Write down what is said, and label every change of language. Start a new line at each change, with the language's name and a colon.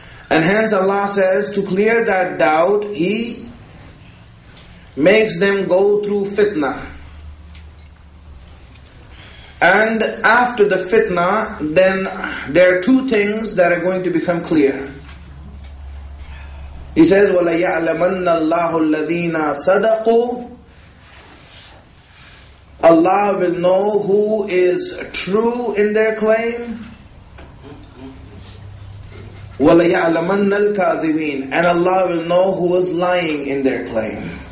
English: And hence Allah says to clear that doubt, He makes them go through fitna. And after the fitna, then there are two things that are going to become clear. He says,
Arabic: وَلَيَعْلَمَنَّ اللَّهُ الَّذِينَ صَدَقُوا.
English: Allah will know who is true in their claim.
Arabic: وَلَيَعْلَمَنَّ الْكَاذِبِينَ.
English: And Allah will know who is lying in their claim.